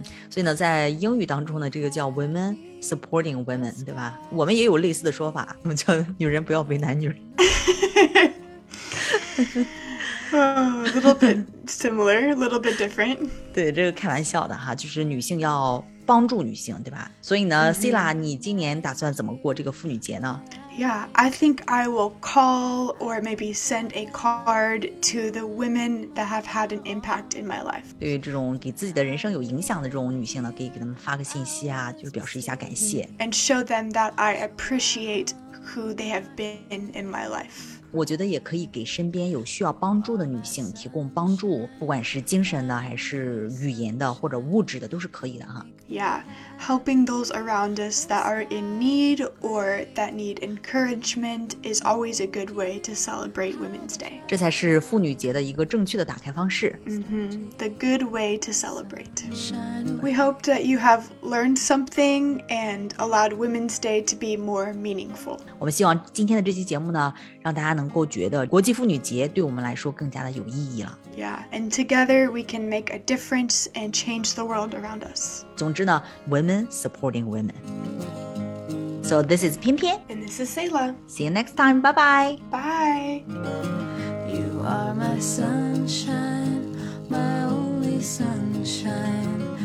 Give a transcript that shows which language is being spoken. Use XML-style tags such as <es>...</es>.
<zh>所以呢，在英语当中呢，这个叫</zh> <en>women supporting women,</en> <zh>对吧？我们也有类似的说法，我们叫女人不要为难女人。</zh> <en>A little bit similar, a little bit different.</en> <zh>对，这个开玩笑的哈，就是女性要帮助女性，对吧？所以呢，Sila, 你今年打算怎么过这个妇女节呢？</zh> <en>Yeah, I think I will call or maybe send a card to the women that have had an impact in my life.</en> <zh>对于这种给自己的人生有影响的这种女性呢，可以给他们发个信息啊，就是表示一下感谢。</zh> <en>And show them that I appreciate who they have been in my life.</en> <zh>我觉得也可以给身边有需要帮助的女性提供帮助，不管是精神的还是语言的或者物质的都是可以的哈。</zh> <en>Yeah, helping those around us that are in need or that need encouragement is always a good way to celebrate Women's Day.</en> <zh>这才是妇女节的一个正确的打开方式。</zh> <en>Mm-hmm, the good way to celebrate. We hope that you have learned something and allowed Women's Day to be more meaningful.</en> <zh>我们希望今天的这期节目呢，让大家能够觉得国际妇女节对我们来说更加的有意义了。</zh> <en>Yeah, and together we can make a difference and change the world around us.</en> <zh>总之呢</zh> <en>women supporting women. So this is Pian Pian. And this is Sayla. See you next time. Bye-bye. Bye. You are my sunshine, my only sunshine.</en>